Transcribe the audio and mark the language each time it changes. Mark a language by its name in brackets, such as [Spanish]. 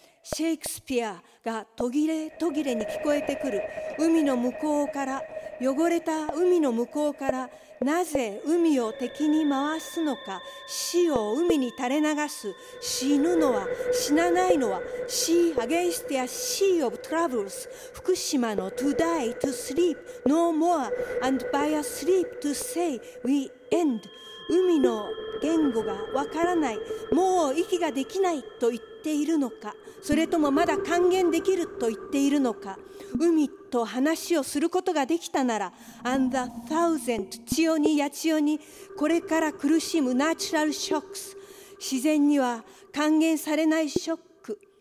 [Japanese] シェイクスピアが途切れ途切れに聞こえてくる。海の向こうから、汚れた海の向こうから、なぜ海を敵に回すのか。死を海に垂れ流す。死ぬのは、死なないのは。 [English] Sea against a sea of troubles。 [Japanese] 福島の [English] To die, to sleep, no more, and by a sleep to say we end。 [Japanese] 海の言語がわからない。もう息ができないと言っているのか、それともまだ還元できると言っているのか。海と話をすることができたなら、 [English] And the thousand [Japanese] 千代に八千代に、これから苦しむ [English] natural shocks、 [Japanese] 自然には還元されないショック。